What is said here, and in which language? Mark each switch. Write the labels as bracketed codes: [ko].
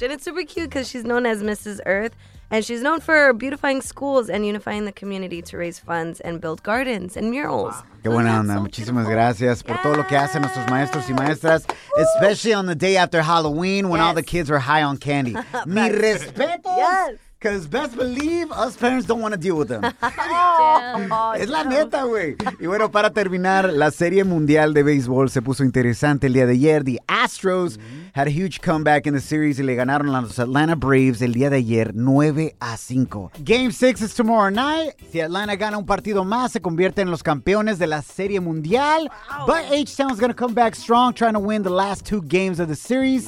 [en] And it's super cute because she's known as Mrs. Earth. And she's known for beautifying schools and unifying the community to raise funds and build gardens and murals. [es] Qué buena onda. Muchísimas gracias por todo lo que hacen nuestros maestros y maestras, [en] especially on the day after Halloween when all the kids are high on candy. [es] Mi respeto. [en] Yes. Because best believe, us parents don't want to deal with them. [es] Es la neta, güey. Y bueno, para terminar, la Serie Mundial de Béisbol se puso interesante el día de ayer. [en] The Astros had a huge comeback in the series [es] y le ganaron a los Atlanta Braves el día de ayer 9-5. [en] Game 6 is tomorrow night. [es] Si Atlanta gana un partido más, se convierte en los campeones de la Serie Mundial. [en] Wow. But H-Town's going to come back strong, trying to win the last two games of the series.